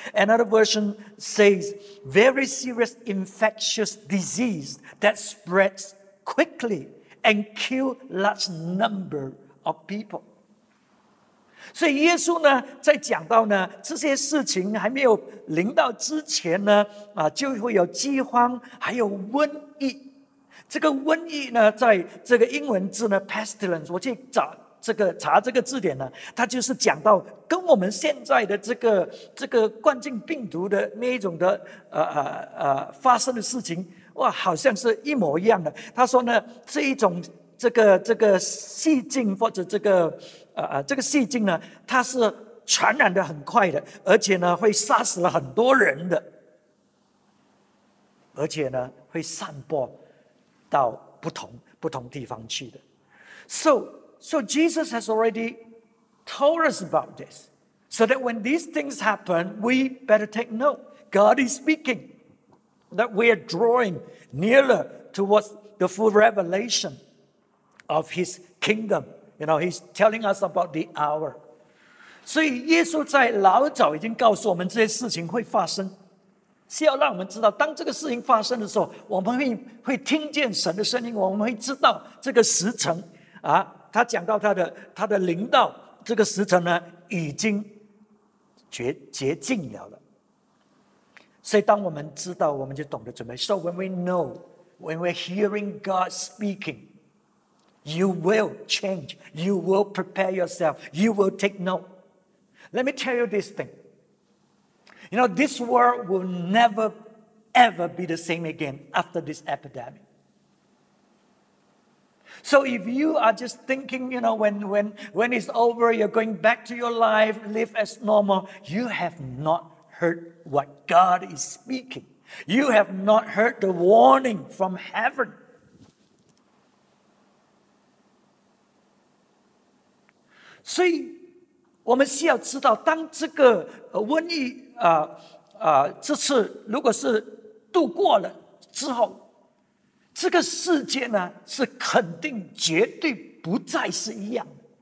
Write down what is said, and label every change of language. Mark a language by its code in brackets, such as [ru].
[en] Another version says, very serious infectious disease that spreads quickly and kills large number of people. [zh] 所以耶稣呢在讲到呢这些事情还没有临到之前呢、就会有饥荒还有瘟疫。这个瘟疫呢在这个英文字呢 pestilence， 我去找这个查这个字典呢，它就是讲到跟我们现在的这个冠状病毒的那一种的发生的事情，哇，好像是一模一样的。他说呢，这一种这个细菌或者这个细菌呢，它是传染的很快的，而且呢会杀死了很多人的，而且呢会散播到不同地方去的。 [en] So Jesus has already told us about this, so that when these things happen, we better take note. God is speaking that we are drawing nearer towards the full revelation of His kingdom. You know, He's telling us about the hour. [zh] 所以耶稣在老早已经告诉我们这些事情会发生，是要让我们知道，当这个事情发生的时候，我们会听见神的声音，我们会知道这个时辰啊。他讲到他的灵道这个时辰呢已经接近了。所以当我们知道，我们就懂得准备。 [en] So when we know, when we're hearing God speaking, you will change, you will prepare yourself, you will take note. Let me tell you this thing. You know, this world will never ever be the same again after this epidemic. So if you are just thinking, you know, when it's over, you're going back to your life, live as normal, you have not heard what God is speaking. You have not heard the warning from heaven. [zh] So, 我们需要知道，当这个瘟疫这次如果是度过了之后，这个世界呢是肯定绝对不再是一样的。